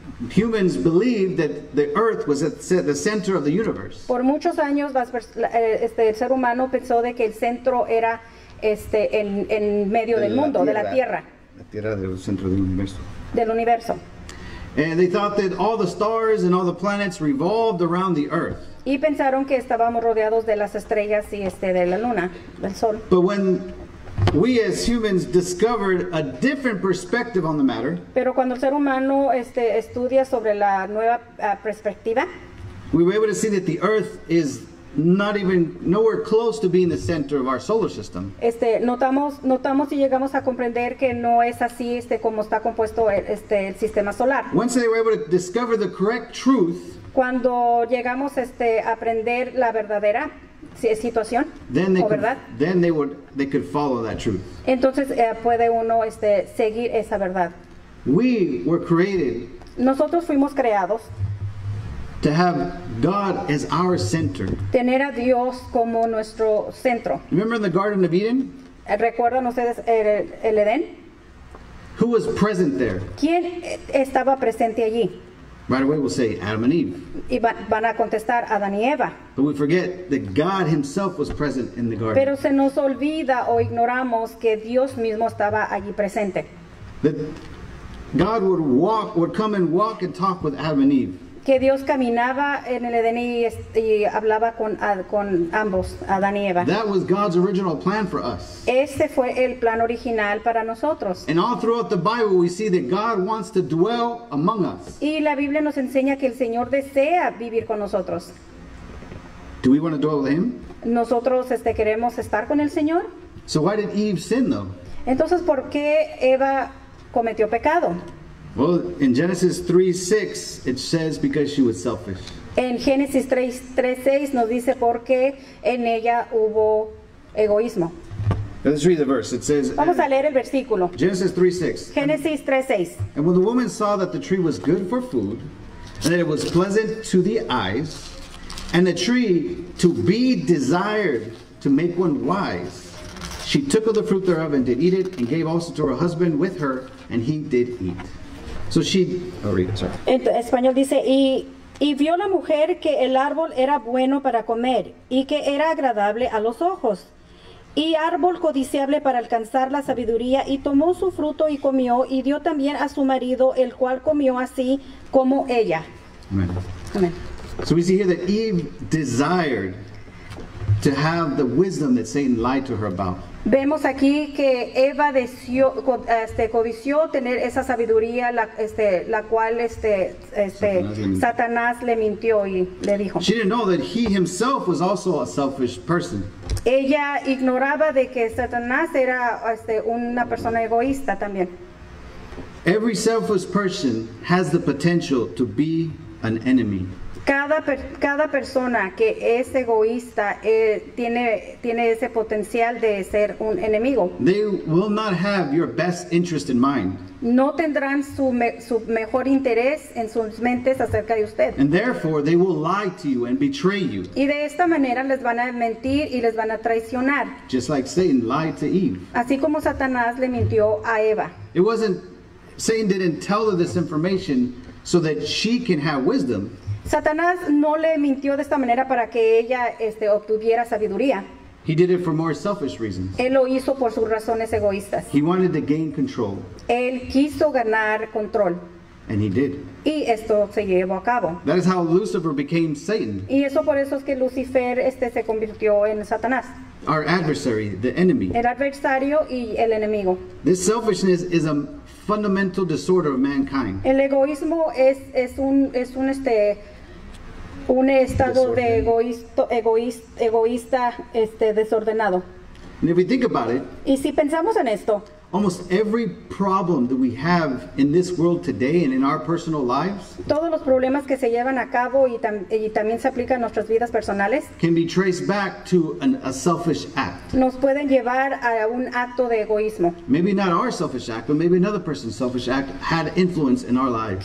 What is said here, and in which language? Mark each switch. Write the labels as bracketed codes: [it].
[en] humans believed that the earth was at the center of the universe. [es] Por muchos años, el ser humano pensó de que el centro era en medio del mundo, de la tierra. La tierra del centro del universo. Del universo. [en] And they thought that all the stars and all the planets revolved around the earth. [es] Y pensaron que estábamos rodeados de las estrellas y de la luna, del sol. [en] But when we as humans discovered a different perspective on the matter, [es] pero cuando el ser humano estudia sobre la nueva perspectiva, [en] we were able to see that the earth is not even nowhere close to being the center of our solar system. [es] Notamos y llegamos a comprender que no es así como está compuesto el sistema solar. [en] Once they were able to discover the correct truth, [es] cuando llegamos a aprender la verdadera situación, [en] then they o could, [es] verdad, [en] then they could follow that truth. [es] Entonces puede uno seguir esa verdad. [en] We were created. [es] Nosotros fuimos creados. [en] To have God as our center. [es] Tener a Dios como nuestro centro. [en] Remember in the Garden of Eden? [es] ¿Recuerdan ustedes el Edén? [en] Who was present there? [es] ¿Quién estaba presente allí? [en] Right away we'll say Adam and Eve. [es] Y van a contestar Adán y Eva. [en] But we forget that God himself was present in the garden. [es] Pero se nos olvida o ignoramos que Dios mismo estaba allí presente. [en] That God would come and walk and talk with Adam and Eve. [es] Que Dios caminaba en el Edén y hablaba con ambos, Adán y Eva. [en] That was God's original plan for us. [es] Este fue el plan original para nosotros. [en] And all throughout the Bible we see that God wants to dwell among us. [es] Y la Biblia nos enseña que el Señor desea vivir con nosotros. [en] Do we want to dwell with him? [es] Nosotros queremos estar con el Señor. [en] So why did Eve sin though? [es] Entonces, ¿por qué Eva cometió pecado? [en] Well, in Genesis 3:6, it says because she was selfish. [es] En Génesis 3:6 nos dice porque en ella hubo egoísmo. [en] Let's read the verse. It says. [es] Vamos a leer el versículo. [en] Genesis 3:6. [es] Génesis 3:6. [en] And when the woman saw that the tree was good for food, and that it was pleasant to the eyes, and the tree to be desired to make one wise, she took of the fruit thereof and did eat it, and gave also to her husband with her, and he did eat. So she, [es] En español dice, y vio la mujer que el árbol era bueno para comer, y que era agradable a los ojos, y árbol codiciable para alcanzar la sabiduría, y tomó su fruto y comió, y dio también a su marido, el cual comió así como ella. Amen. Amen. [en] So we see here that Eve desired to have the wisdom that Satan lied to her about. [es] Vemos aquí que Eva deseó, codició tener esa sabiduría la cual Satanás le mintió y le dijo. [en] She didn't know that he himself was also a selfish person. [es] Ella ignoraba de que Satanás era una persona egoísta también. [en] Every selfish person has the potential to be an enemy. [es] Cada persona que es egoísta tiene ese potencial de ser un enemigo. [en] They will not have your best interest in mind. [es] No tendrán su mejor interés en sus mentes acerca de usted. [en] And therefore they will lie to you and betray you. [es] Y de esta manera les van a mentir y les van a traicionar. [en] Just like Satan lied to Eve. [es] Así como Satanás le mintió a Eva. [en] It wasn't, Satan didn't tell her this information so that she can have wisdom. [es] Satanás no le mintió de esta manera para que ella obtuviera sabiduría. [en] He did it for more selfish reasons. [es] Él lo hizo por sus razones egoístas. [en] He wanted to gain control. [es] Él quiso ganar control. [en] And he did. [es] Y esto se llevó a cabo. [en] That is how Lucifer became Satan. [es] Y eso por eso es que Lucifer se convirtió en Satanás. [en] Our adversary, the enemy. [es] El adversario y el enemigo. [en] This selfishness is a fundamental disorder of mankind. [es] El egoísmo es un estado de egoísta desordenado. [en] And if we think about it, [es] y si pensamos en esto, [en] almost every problem that we have in this world today and in our personal lives, [es] todos los problemas que se llevan a cabo y también se aplican a nuestras vidas personales, [en] can be traced back to a selfish act. [es] Nos pueden llevar a un acto de egoísmo. [en] Maybe not our selfish act, but maybe another person's selfish act had influence in our lives.